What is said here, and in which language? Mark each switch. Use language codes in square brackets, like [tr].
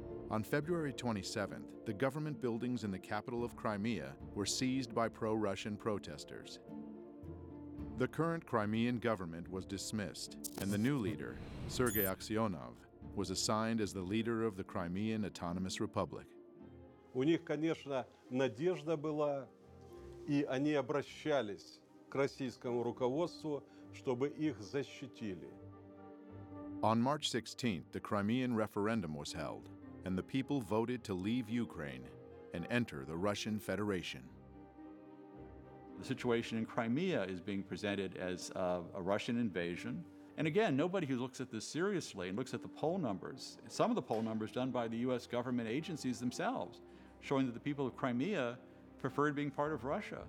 [en] On February 27th, the government buildings in the capital of Crimea were seized by pro-Russian protesters. The current Crimean government was dismissed, and the new leader, Sergei Aksionov, was assigned as the leader of the Crimean Autonomous Republic. [ru] У них, конечно, надежда была, и они обращались к российскому руководству, чтобы их защитили. [en] On March 16th, the Crimean referendum was held, and the people voted to leave Ukraine and enter the Russian Federation. The situation in Crimea is being presented as a Russian invasion. And again, nobody who looks at this seriously and looks at the poll numbers, some of the poll numbers done by the US government agencies themselves, showing that the people of Crimea preferred being part of Russia.